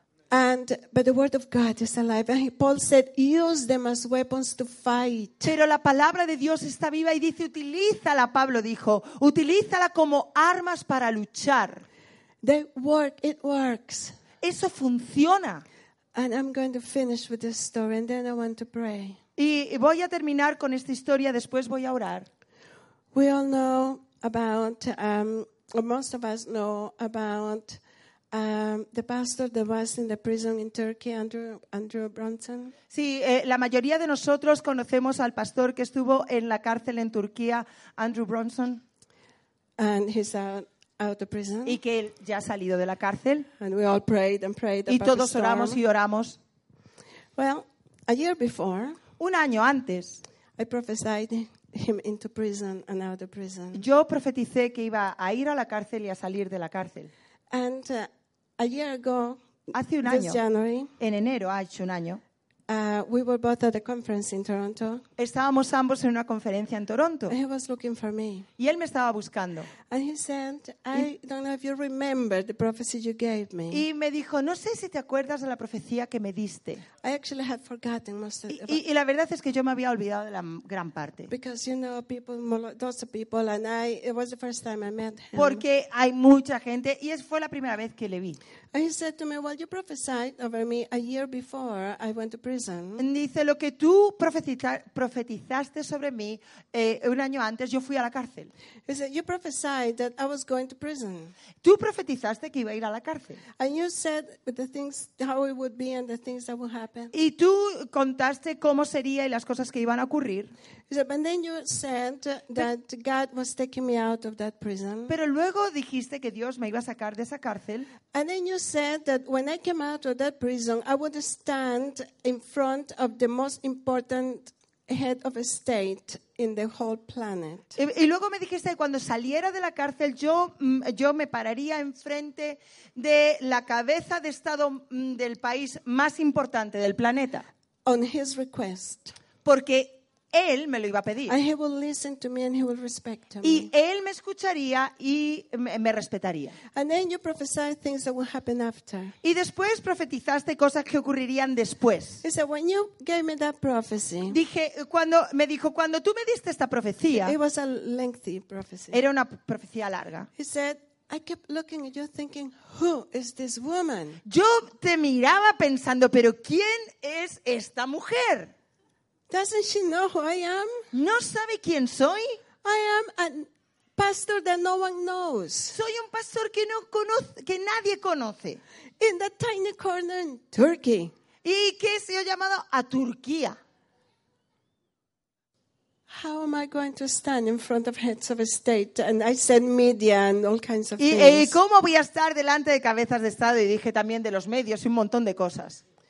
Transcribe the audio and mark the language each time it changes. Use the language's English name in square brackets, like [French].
[English] And but the word of God is alive. And Paul said, use them as weapons to fight. [Spanish] Pero la palabra de Dios está viva y dice, utilízala. Pablo dijo, utilízala como armas para luchar. [English] They work. It works. [Spanish] Eso funciona. [English] And I'm going to finish with this story, and then I want to pray. [Spanish] Y voy a terminar con esta historia. Después voy a orar. [English] We all know about, or most of us know about. The pastor that was in the prison in Turkey, Andrew Brunson. [Spanish] Sí, la mayoría de nosotros conocemos al pastor que estuvo en la cárcel en Turquía, Andrew Brunson. [English] And he's out of prison. [Spanish] Y que él ya ha salido de la cárcel. [English] And we all prayed and prayed. [Spanish] Y todos oramos y oramos. [English] Well, a year before, [Spanish] un año antes, [English] I prophesied him into prison and out of prison. [Spanish] Yo profeticé que iba a ir a la cárcel y a salir de la cárcel. [English] And a year ago, [Spanish] hace un [English] this January, [Spanish] en enero, hace un año, [English] we were both at a conference in Toronto. [Spanish] Estábamos ambos en una conferencia en Toronto. [English] And he was looking for me. [Spanish] Y él me estaba buscando. [English] And he said, "I don't know if you remember the prophecy you gave me." [Spanish] Y me dijo, "No sé si te acuerdas de la profecía que me diste." [English] I actually had forgotten most of it. [Spanish] Y la verdad es que yo me había olvidado de la gran parte. [English] Because you know, those people, and I, it was the first time I met him. [Spanish] Porque hay mucha gente y es fue la primera vez que le vi. [English] And he said to me, "Well, you prophesied over me a year before I went to prison." [Spanish] Dice lo que tú profetizaste sobre mí un año antes. Yo fui a la cárcel. [English] He said, "You prophesied that I was going to prison." [Spanish] Tú profetizaste que iba a ir a la cárcel. [English] And you said the things how it would be and the things that would happen. [Spanish] Y tú contaste cómo sería y las cosas que iban a ocurrir. [English] He said, "And then you said that God was taking me out of that prison." [Spanish] Pero luego dijiste que Dios me iba a sacar de esa cárcel. [English] And then you said that when I came out of that prison, I would stand in front of the most important head of state in the whole planet. [Spanish] Y luego me dijiste que cuando saliera de la cárcel, yo me pararía enfrente de la cabeza de estado del país más importante del planeta. [English] On his request. [Spanish] Porque él me lo iba a pedir. [English] And he would listen to me and he would respect me. [Spanish] Y él me escucharía y me respetaría. [English] And then you prophesied things that would happen after. [Spanish] Y después profetizaste cosas que ocurrirían después. [English] He said, "When you gave me that prophecy." [Spanish] Dije, cuando me dijo, "Cuando tú me diste esta profecía." [English] It was a lengthy prophecy. [Spanish] Era una profecía larga. [English] He said, "I kept looking at you thinking, who is this woman?" [Spanish] Yo te miraba pensando, "¿Pero quién es esta mujer?" [English] Doesn't she know who I am? [Spanish] ¿No sabe quién soy? [English] I am a pastor that no one knows. [Spanish] Soy un pastor que no conoce, que nadie conoce. [English] In that tiny corner in Turkey. [Spanish] ¿Y qué se ha llamado a Turquía? [English] How am I going to stand in front of heads of state? And I said media and all kinds of things. [Spanish] ¿Y cómo voy a estar delante de cabezas de estado? Y dije también de los medios y un montón de cosas.